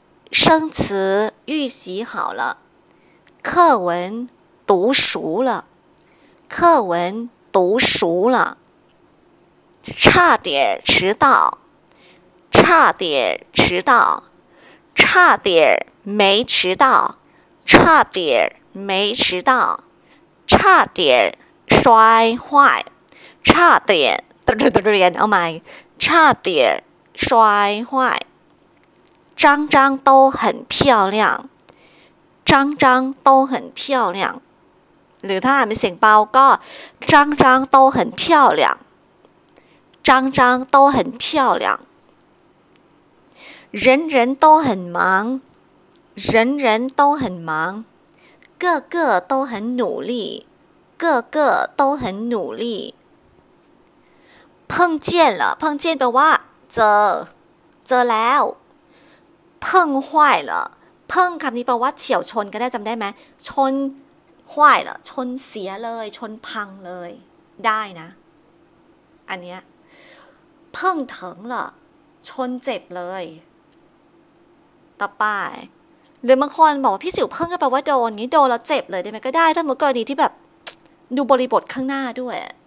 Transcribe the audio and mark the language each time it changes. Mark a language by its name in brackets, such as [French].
[Chinese] 生词预习好了，课文读熟了，课文读熟了，差点迟到，差点迟到，差点没迟到，差点没迟到，差点摔坏。差点， [English] Oh my， [Chinese] 差点摔坏。张张都很漂亮，张张都很漂亮。 [Thai] หรือถ้าไม่เสียงเบาก็ [Chinese] 张张都很漂亮，张张都很漂亮。人人都很忙，人人都很忙。个个都很努力，个个都很努力。碰见了碰见的话 [Thai] เจอแล้ว [Chinese] 碰坏了碰 [Thai] คำนี้แปลว่าเฉี่ยวชนก็ได้จำได้ไหมชน坏了ชนเสียเลยชนพังเลยได้นะอันเนี้ย [Chinese] 碰疼了 [Thai] ชนเจ็บเลยต่อไปหรือบางคนบอกพี่สิวเพิ่งก็แปลว่าโดนงี้โดนแล้วเจ็บเลยได้ไหมก็ได้ถ้าเมื่อกรณีที่แบบดูบริบทข้างหน้าด้วย